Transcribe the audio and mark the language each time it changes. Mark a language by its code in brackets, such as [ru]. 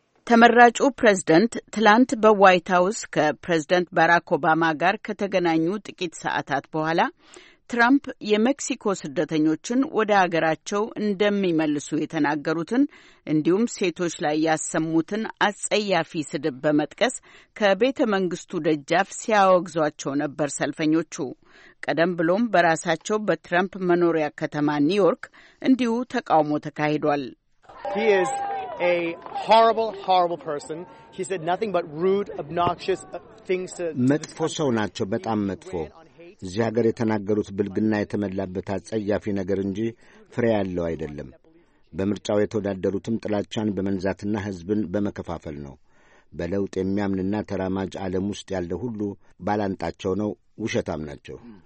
[am] ተመራጩ ፕሬዝደንት ትላንት በዋይት ሀውስ ከፕሬዝደንት ባራክ ኦባማ ጋር ከተገናኙ ጥቂት ሰዓታት በኋላ ትራምፕ የሜክሲኮ ስደተኞችን ወደ አገራቸው እንደሚመልሱ የተናገሩትን እንዲሁም ሴቶች ላይ ያሰሙትን አጸያፊ ስድብ በመጥቀስ ከቤተ መንግስቱ ደጃፍ ሲያወግዟቸው ነበር ሰልፈኞቹ። ቀደም ብሎም በራሳቸው በትራምፕ መኖሪያ ከተማ ኒውዮርክ እንዲሁ ተቃውሞ ተካሂዷል። [en] He is a horrible, horrible person. He said nothing but rude, obnoxious things to [am] መጥፎ ሰው ናቸው። በጣም መጥፎ እዚህ ሀገር የተናገሩት ብልግና የተመላበት አጸያፊ ነገር እንጂ ፍሬ ያለው አይደለም። በምርጫው የተወዳደሩትም ጥላቻን በመንዛትና ሕዝብን በመከፋፈል ነው። በለውጥ የሚያምንና ተራማጅ ዓለም ውስጥ ያለ ሁሉ ባላንጣቸው ነው፣ ውሸታም ናቸው።